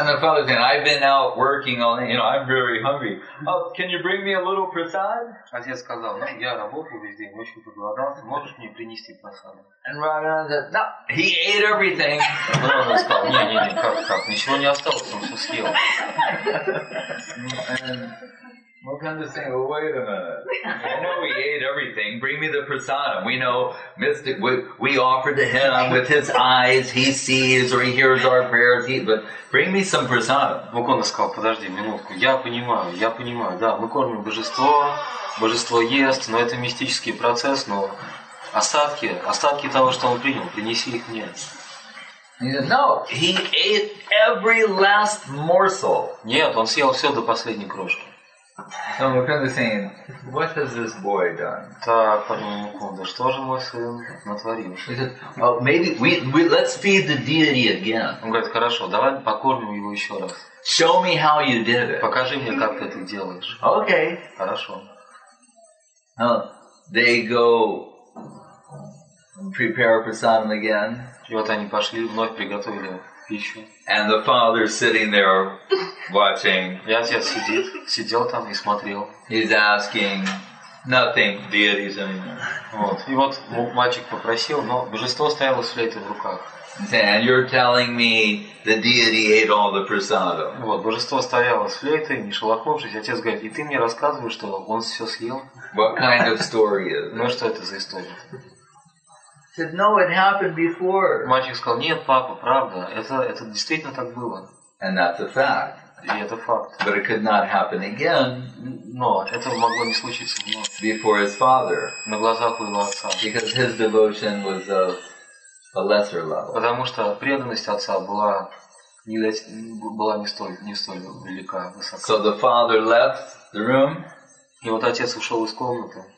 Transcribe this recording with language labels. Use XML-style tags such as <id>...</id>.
<en>And the father said, "I've been out working all day. You know, I'm very hungry. Oh, can you bring me a little prasad?"</en> <ru>Отец сказал, "Ну я работал весь день, очень поголодал. Можешь мне принести прасад?"</ru> <en>And Raghunandan said, "No, he ate everything."</en> <ru>Он сказал, "Не, как? Ничего не осталось, он все съел."</ru> <en>Mukunda is saying, "Well, wait a minute. I know we ate everything. Bring me the prasadam. We know mystic. We offered to him with his eyes. He sees or he hears our prayers. But bring me some prasadam."</en> <ru>Mukunda сказал, "Подожди минутку. Я понимаю. Да, мы кормим божество. Божество ест, но это мистический процесс. Но остатки того, что он принял, принеси их мне."</ru> <en>No, he ate every last morsel.</en> <ru>Нет, он съел все до последней крошки.</ru> <en>So Mukunda saying, "What has this boy done?"</en> <ru>Так, подумал Mukunda, что же мой сын натворил?</ru> <en>He said, "Well, maybe we let's feed the deity again."</en> <ru>Он говорит, хорошо, давай покормим его еще раз.</ru> <en>Show me how you did it.</en> <ru>Покажи мне, как ты это делаешь.</ru> <en>Okay.</en> <ru>Хорошо.</ru> <en>Now, they go prepare prasadam again.</en> <ru>И вот они пошли вновь приготовили пищу.</ru> <en>And the father sitting there watching.</en> <ru>И отец сидел там и смотрел.</ru> <en>He's asking nothing, deities anymore.</en> <ru>Вот. И вот мальчик попросил, но божество стояло с флейтой в руках.</ru> <en>And you're telling me the deity ate all the prasadam.</en> <ru>Вот, божество стояло с флейтой, не шелохнувшись. Отец говорит, и ты мне рассказываешь, что он все съел?</ru> <en>What kind of story is</en> <ru>it? Ну что это за история?</ru> <en>Said, "No, it happened before."</en> <ru>Мальчик сказал, "Нет, папа, правда, это действительно так было."</ru> <en>And that's a fact.</en> <ru>И это факт.</ru> <en>But it could not happen again.</en> <ru>Но это могло не случиться вновь.</ru> <en>Before his father.</en> <ru>На глазах у его отца.</ru> <en>Because his devotion was of a lesser level.</en> <ru>Потому что преданность отца была не столь велика, высока.</ru> <en>So the father left the room.</en> <ru>И вот отец ушел из комнаты.</ru>